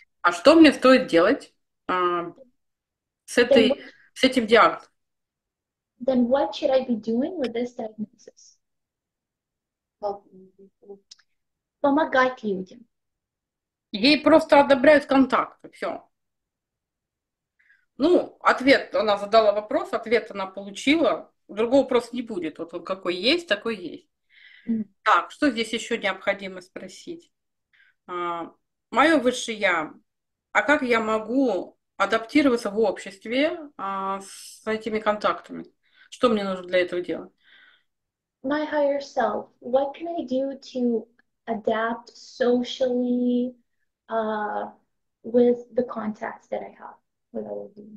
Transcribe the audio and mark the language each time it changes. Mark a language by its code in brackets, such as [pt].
[ru] А что мне стоит делать с этим диагнозом? [en] Then what should I be doing with this diagnosis? [ru] Помогать людям. Ей просто одобряют контакты, все. Ну, ответ, она задала вопрос, ответ она получила. Другого вопроса не будет. Вот он какой есть, такой есть. Так, что здесь еще необходимо спросить? Мое высшее я, а как я могу адаптироваться в обществе с этими контактами? Что мне нужно для этого делать? [en] My higher self, what can I do to adapt socially with the contacts that I have?